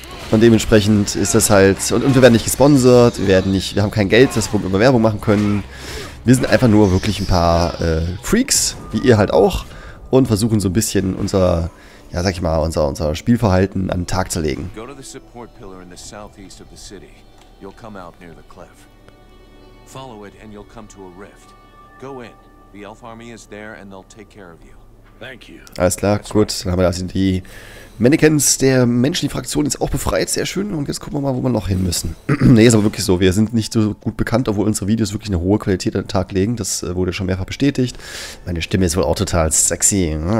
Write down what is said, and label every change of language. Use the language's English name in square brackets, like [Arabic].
[German] Und dementsprechend ist das halt, und wir werden nicht gesponsert, wir haben kein Geld, dass wir über Werbung machen können. Wir sind einfach nur wirklich ein paar Freaks, wie ihr halt auch, und versuchen so ein bisschen unser, ja sag ich mal, unser Spielverhalten an den Tag zu legen. [English] Go to the support pillar in the southeast of the city. You'll come out near the cliff. Follow it and you'll come to a rift. Go in. The elf army is there and they'll take care of you. [German] Alles klar, gut, dann haben wir also die Mannequins der menschlichen Fraktion jetzt auch befreit, sehr schön. Und jetzt gucken wir mal, wo wir noch hin müssen. Ne, ist aber wirklich so, wir sind nicht so gut bekannt, obwohl unsere Videos wirklich eine hohe Qualität an den Tag legen. Das wurde schon mehrfach bestätigt. Meine Stimme ist wohl auch total sexy.